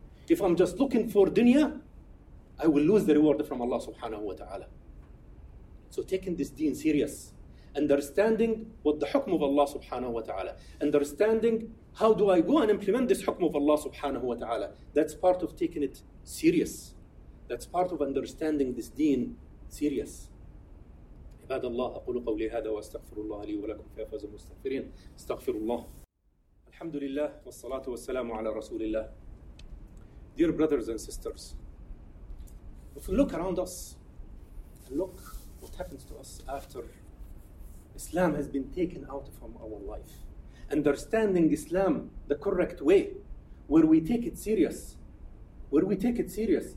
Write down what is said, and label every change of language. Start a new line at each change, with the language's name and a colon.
English: If I'm just looking for dunya, I will lose the reward from Allah subhanahu wa ta'ala. So taking this deen serious, understanding what the hukm of Allah subhanahu wa ta'ala, understanding how do I go and implement this hukm of Allah subhanahu wa ta'ala, that's part of taking it serious. That's part of understanding this deen serious.
Arabic: عباد الله أقول قولي هذا وأستغفر الله لي ولكم فيا فوز المستغفرين استغفر الله الحمد لله والصلاة والسلام على رسول الله.
English: Dear brothers and sisters, if we look around us and look what happens to us after Islam has been taken out from our life. Understanding Islam the correct way, where we take it serious, where we take it serious.